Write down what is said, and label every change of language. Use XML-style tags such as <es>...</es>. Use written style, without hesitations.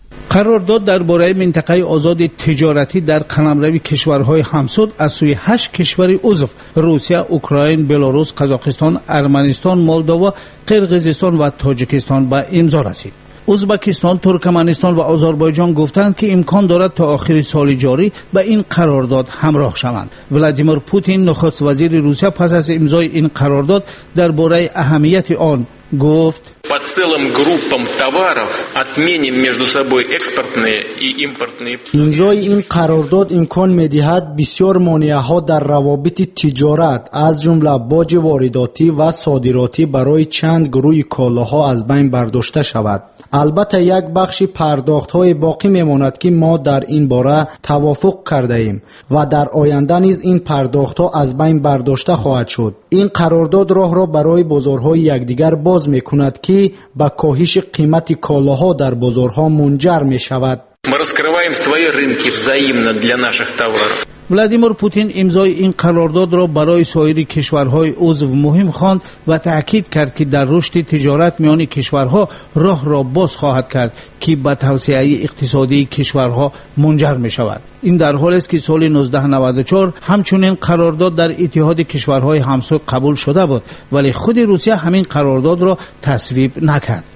<fa>قرارداد درباره منطقه آزاد تجارتی در قلمرو کشورهای همسود از سوی 8 کشور عضو روسیه، اوکراین، بلاروس، قزاقستان، ارمنستان، مولداوا، قرغیزستان و تاجیکستان به امضا رسید. ازبکستان، ترکمنستان و آذربایجان گفتند که امکان دارد تا آخر سال جاری به این قرارداد همراه شوند. ولادیمیر پوتین نخست وزیر روسیه پس از امضای این قرارداد درباره اهمیت آن گفت:</fa> <ru>по целым группам товаров отменим между собой экспортные и импортные.</ru> <fa>امضای این قرارداد امکان می‌دهد بسیار مانعها در روابط تجارت از جمله باج وارداتی و صادراتی برای چند گروه کالاها از بین برداشته شود. البته یک بخش پرداخت های باقی میماند که ما در این باره توافق کرده ایم و در آینده نیز این پرداخت ها از بین برداشته خواهد شد. این قرارداد راه را برای بازارهای یکدیگر باز میکند که به کاهش قیمت کالاها در بازارها منجر میشود.</fa> <ru>ما розкриваем свои рынки взаимно для наших товаров.</ru> <fa>ولادیمیر پوتین امضای این قرارداد را برای سایر کشورهای عضو مهم خواند و تأکید کرد که در رشد تجارت میان کشورها راه را باز خواهد کرد که به توسعه اقتصادی کشورها منجر می شود. این در حالی است که سال 1994 همچنین قرارداد در اتحاد کشورهای همسو قبول شده بود، ولی خود روسیه همین قرارداد را تصویب نکرد.</fa>